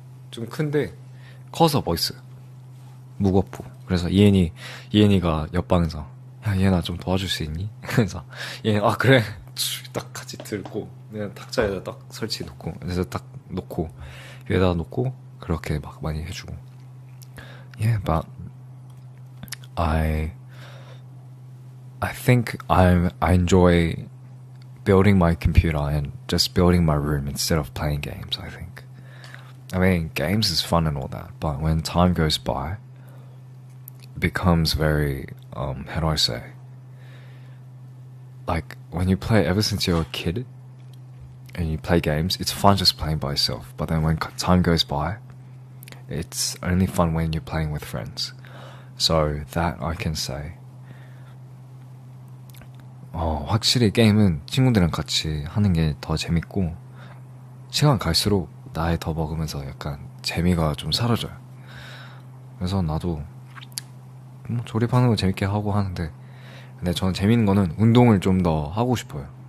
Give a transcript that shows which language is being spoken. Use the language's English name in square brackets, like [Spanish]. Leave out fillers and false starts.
[Korean] 좀 큰데 커서 멋있어요. 무겁고. 그래서 이엔이가 옆방에서 야 이엔아 좀 도와줄 수 있니? 그래서 이엔 아 그래 딱 같이 들고 그냥 탁자에다 딱 설치 놓고 그래서 딱 놓고 위에다 놓고 그렇게 막 많이 해주고. [English] Yeah, but I think I enjoy building my computer and just building my room instead of playing games, I think. I mean, games is fun and all that, but when time goes by, it becomes very, how do I say? Like, when you play ever since you're a kid and you play games, it's fun just playing by yourself. But then when time goes by, it's only fun when you're playing with friends. So that I can say. [Korean] 확실히 게임은 친구들이랑 같이 하는 게 더 재밌고 시간 갈수록 나이 더 먹으면서 약간 재미가 좀 사라져요. 그래서 나도 뭐 조립하는 거 재밌게 하고 하는데 근데 저는 재밌는 거는 운동을 좀 더 하고 싶어요.